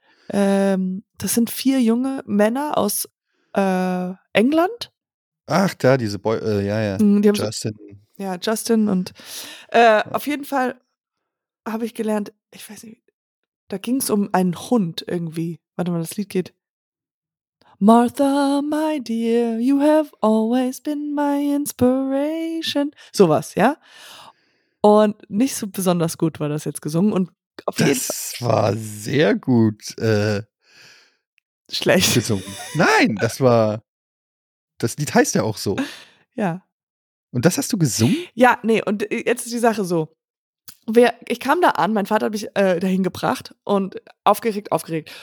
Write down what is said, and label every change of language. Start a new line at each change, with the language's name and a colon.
German: Das sind vier junge Männer aus England. Ach da, diese Boy, die haben Justin. So, ja, Justin und auf jeden Fall habe ich gelernt, ich weiß nicht, da ging es um einen Hund irgendwie. Warte mal, das Lied geht.
English: Martha, my dear, you have always been my inspiration.
German: Sowas, ja? Und nicht so besonders gut war das jetzt gesungen. Und auf das jeden Fall war sehr gut. Schlecht. Gesungen. Nein, das war, das Lied heißt ja auch so. Ja. Und das hast du gesungen? Ja, nee, und jetzt ist die Sache so. Ich kam da an, mein Vater hat mich dahin gebracht und aufgeregt.